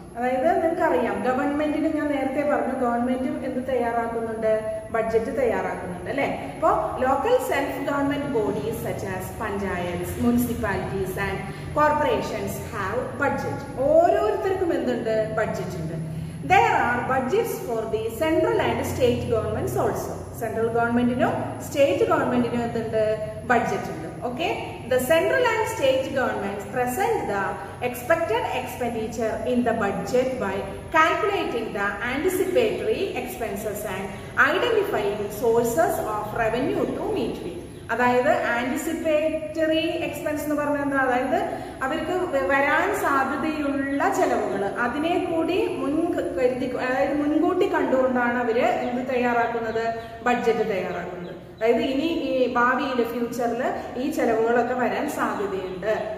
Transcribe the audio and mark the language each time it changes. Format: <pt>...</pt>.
<ml>അതായത് നിങ്ങൾക്കറിയാം, ഗവൺമെൻറ്റിന് ഞാൻ നേരത്തെ പറഞ്ഞു, ഗവൺമെൻറ്റും എന്ത് തയ്യാറാക്കുന്നുണ്ട്, ബഡ്ജറ്റ് തയ്യാറാക്കുന്നുണ്ട് അല്ലേ.</ml> <en>അപ്പോൾ local self government bodies such as panchayats, municipalities and corporations have budget.</en> <ml>ഓരോരുത്തർക്കും എന്തുണ്ട്, ബഡ്ജറ്റ് ഉണ്ട്.</ml> <en>There are budgets for the central and state governments also. Central government in state government in the budget. Okay? The central and state governments present the expected expenditure in the budget by calculating the anticipatory expenses and identifying sources of revenue to meet with.</en> <ml>അതായത് anticipatory expense എന്ന് പറഞ്ഞാൽ എന്താ, അതായത് അവർക്ക് വരാൻ സാധ്യതയുള്ള ചെലവുകൾ അതിനെ കൂടി മുൻകരുതി, അതായത് മുൻകൂട്ടി കണ്ടുകൊണ്ടാണ് അവർ ഇത് തയ്യാറാക്കുന്നത്, ബഡ്ജറ്റ് തയ്യാറാക്കുന്നത്. അതായത് ഇനി ഈ ഭാവിയിൽ ഫ്യൂച്ചറിൽ ഈ ചെലവുകളൊക്കെ വരാൻ സാധ്യതയുണ്ട്.</ml>